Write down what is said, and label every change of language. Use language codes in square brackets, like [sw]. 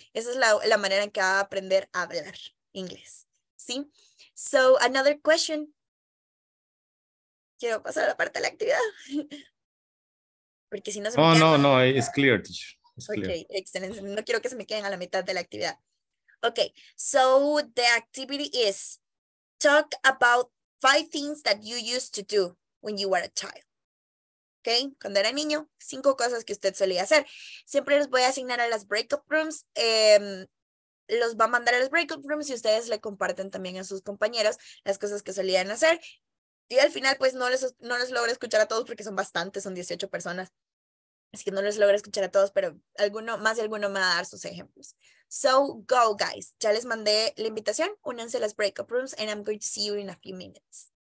[es] Esa es la manera en que va a aprender a hablar inglés. ¿Sí? [en] So, another question. [es] Quiero pasar a la parte de la actividad. Porque si no se me queda. [en] No, it's clear, teacher. It's ok, clear. [es] Excelente. No quiero que se me queden a la mitad de la actividad. [en] Ok, so the activity is talk about 5 things that you used to do when you were a child. ¿Ok? [es] Cuando era niño, 5 cosas que usted solía hacer. Siempre les voy a asignar a las breakout rooms. Los va a mandar a las breakout rooms y ustedes le comparten también a sus compañeros las cosas que solían hacer. Y al final, pues, no les logro escuchar a todos porque son bastantes, son 18 personas. Así que no les logro escuchar a todos, pero alguno, más de alguno me va a dar sus ejemplos. [en] So, go, guys. [es] Ya les mandé la invitación. Únanse a las [en] breakout rooms and I'm going to see you in a few minutes.